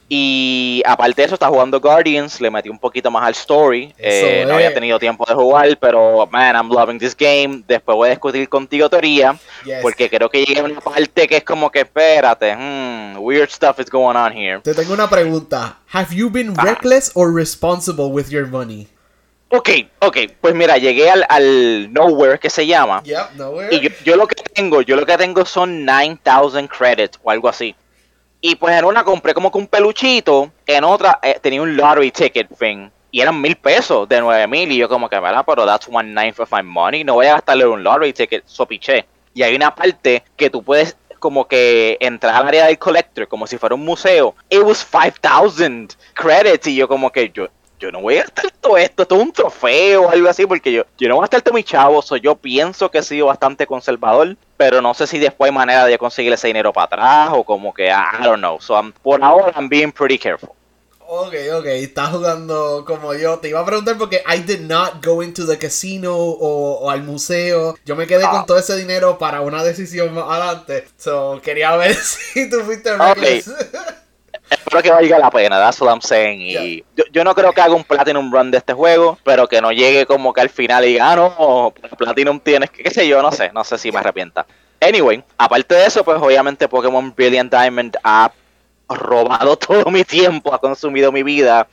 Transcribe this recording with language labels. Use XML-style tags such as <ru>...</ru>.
<es>Y aparte de eso, está jugando Guardians, le metí un poquito más al story. No había tenido tiempo de jugar, pero, man,</es> <en>I'm loving this game.</en> <es>Después voy a discutir contigo teoría, porque creo que llegué a una parte que es como que, espérate,</es> <en>weird stuff is going on here.</en> <es>Te tengo una pregunta.</es> <en>Have you been reckless or responsible with your money?</en> <es>Okay, pues mira, llegué al Nowhere, que se llama.</es> <en>Nowhere.</en> <es>Y yo lo que tengo son 9,000 credits o algo así. Y pues en una compré como que un peluchito, en otra tenía un</es> <en>lottery ticket thing,</en> <es>y eran 1,000 pesos de 9,000, y yo como que, ¿verdad? Pero</es> <en>that's 1/9 of my money,</en> <es>no voy a gastarle un lottery ticket, so piché. Y hay una parte que tú puedes como que entrar al área del collector, como si fuera un museo,</es> <en>it was 5,000 credits,</en> <es>y yo como que, yo no voy a gastar todo esto es un trofeo o algo así, porque yo no voy a gastar todo mi chavo, so yo pienso que he sido bastante conservador. Pero no sé si después hay manera de conseguir ese dinero para atrás o como que,</es> <en>I don't know. So,</en> <es>por ahora,</es> <en>I'm being pretty careful.</en> <es>Ok. Estás jugando como yo. Te iba a preguntar porque</es> <en>I did not go into the casino</en> <es>o al museo. Yo me quedé con todo ese dinero para una decisión más adelante. So, quería ver si tú fuiste</es> <en>okay.</en> <es>Espero que valga la pena,</es> <en>that's what I'm saying.</en> <es>Y yo no creo que haga un Platinum run de este juego, pero que no llegue como que al final y diga, ah, no, Platinum tienes, qué sé yo, no sé si me arrepienta. Anyway, aparte de eso, pues obviamente Pokémon Brilliant Diamond ha robado todo mi tiempo, ha consumido mi vida.</es>